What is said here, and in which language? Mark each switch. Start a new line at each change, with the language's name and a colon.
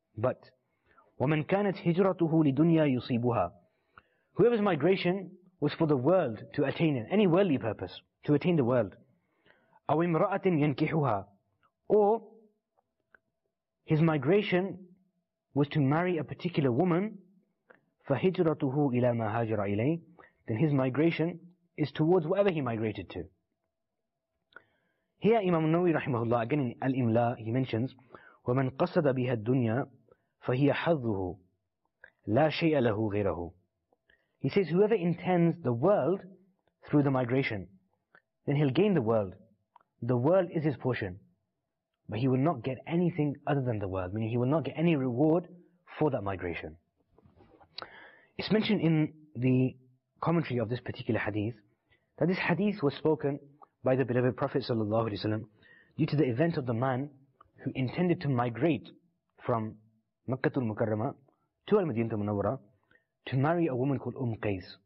English: But
Arabic: وَمَنْ كَانَتْ هِجْرَتُهُ لِدُنْيَا يُصِيبُهَا,
English: whoever's migration was for the world to attain it, any worldly purpose, to attain the world.
Arabic: أَوْ إِمْرَأَةٍ يَنْكِحُهَا,
English: or his migration was to marry a particular woman.
Arabic: فَهِجْرَتُهُ إِلَى مَا هَاجَرَ إِلَيْهِ,
English: then his migration is towards whatever he migrated to. Here Imam al-Nawawi rahimahullah, again in Al-Imla, he mentions,
Arabic: وَمَنْ قَصَدَ بِهَا الدُّنْيَا فَهِيَ حَظُّهُ لَا شَيْءَ لَهُ غِيْرَهُ.
English: He says, whoever intends the world through the migration, then he'll gain the world. The world is his portion. But he will not get anything other than the world, meaning he will not get any reward for that migration. It's mentioned in the commentary of this particular hadith, that this hadith was spoken by the beloved Prophet sallallahu alaihi wasallam due to the event of the man who intended to migrate from Makkatul Mukarramah to Al-Madinatul Munawwara to marry a woman called Qais.